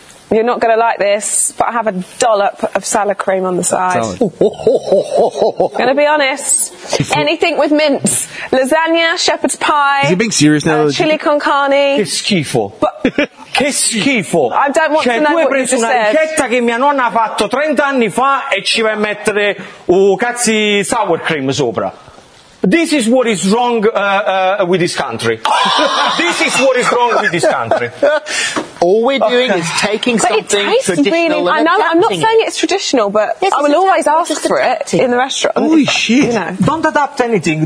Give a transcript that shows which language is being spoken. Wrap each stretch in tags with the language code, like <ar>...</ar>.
<en>You're not going to like this, but I have a dollop of salad cream on the side. I'm going to be honest. Anything with mints. Lasagna, shepherd's pie. Is he being serious now? Chili con carne.</en> <it>Che schifo. Che schifo.</it> <en>I don't want to know what you just said.</en> <it>C'è una ricetta che mia nonna ha fatto 30 anni fa e ci vai a mettere cazzi</it> <en>sour cream</en> <it>sopra.</it> <en>This is what is wrong with this country. This is what is wrong with this country. All we're doing is taking something traditional. I know, I'm not saying it's traditional, but I will always ask for it in the restaurant. Holy shit. You know. Don't adapt anything.</en>